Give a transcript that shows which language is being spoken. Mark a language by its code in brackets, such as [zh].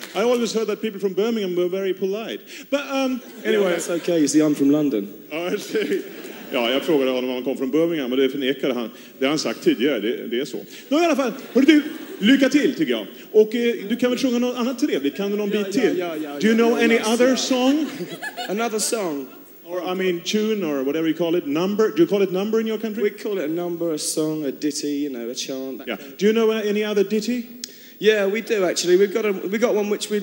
[en] I always heard that people from Birmingham were very polite. But anyway. Yeah, that's okay. You see, I'm from London. I see. [sv] Ja, jag frågade honom om han kom från Birmingham och det förnekade han. Det har han sagt tidigare, det är så. Nå, I alla fall, hörru du, lycka till tycker jag. Och du kan väl sjunga något annat trevligt, kan du någon bit till? [en] Do you know any other song? Another song? Or I mean tune or whatever you call it, number? Do you call it number in your country? We call it a number, a song, a ditty, you know, a chant. Yeah. Do you know any other ditty? Yeah, we do actually. We've got one which we'd like to just come up with now actually. It's a song called Is There Anyone Out There?